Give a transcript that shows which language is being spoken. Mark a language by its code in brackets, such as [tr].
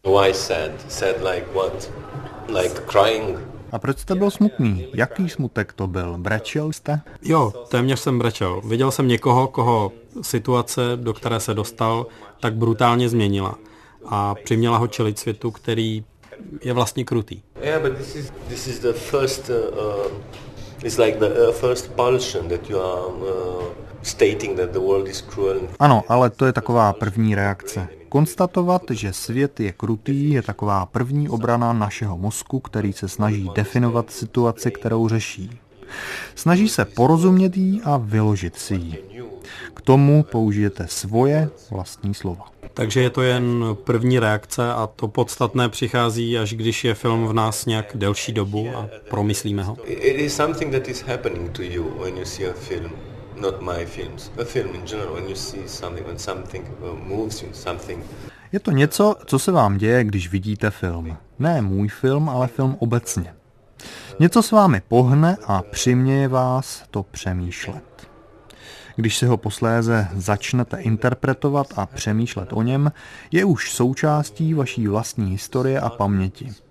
[en] Why sad? Sad like what? Like crying? [cs] A proč jste byl smutný? Jaký smutek to byl? Brečel jste? Jo, téměř jsem brečel. Viděl jsem někoho, koho situace, do které se dostal, tak brutálně změnila. A přiměla ho čelit světu, který je vlastně krutý. [en] Yeah, but this is the first it's like the first pulsion that you are stating that the world is cruel. [cs] Ano, ale to je taková první reakce. Konstatovat, že svět je krutý, je taková první obrana našeho mozku, který se snaží definovat situaci, kterou řeší. Snaží se porozumět jí a vyložit si ji. K tomu použijete svoje vlastní slova. Takže je to jen první reakce a to podstatné přichází, až když je film v nás nějak delší dobu a promyslíme ho. [en] It is something that is happening to you when you see a film. Not my films, a film in general, when you see something, when something moves you, something. [cs] Je to něco, co se vám děje, když vidíte film. Ne můj film, ale film obecně. Něco s vámi pohne a přiměje vás to přemýšlet. Když si ho posléze začnete interpretovat a přemýšlet o něm, je už součástí vaší vlastní historie a paměti.